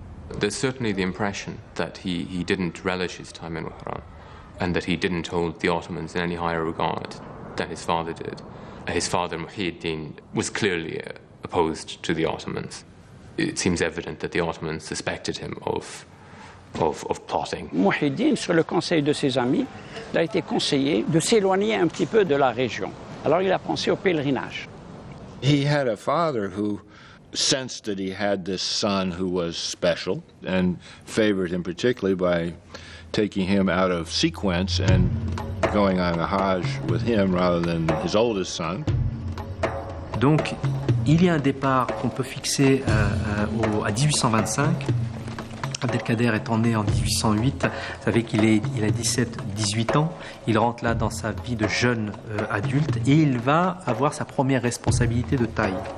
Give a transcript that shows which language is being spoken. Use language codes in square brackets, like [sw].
[en] There's certainly the impression that he didn't relish his time in Wahran, and that he didn't hold the Ottomans in any higher regard than his father did. His father, Muhyiddin, was clearly opposed to the Ottomans. It seems evident that the Ottomans suspected him of plotting. [fr] Muhyiddin, sur le conseil de ses amis, l'a été conseillé de s'éloigner un petit peu de la région. Alors il a pensé au pèlerinage. [en] He had a father who sensed that he had this son who was special and favored him particularly by taking him out of sequence and going on a Hajj with him rather than his oldest son. [fr] Donc il y a un départ qu'on peut fixer à 1825. Abdelkader étant né en 1808, vous savez qu'il est il a 17-18 ans, il rentre là dans sa vie de jeune adulte et il va avoir sa première responsabilité de taille.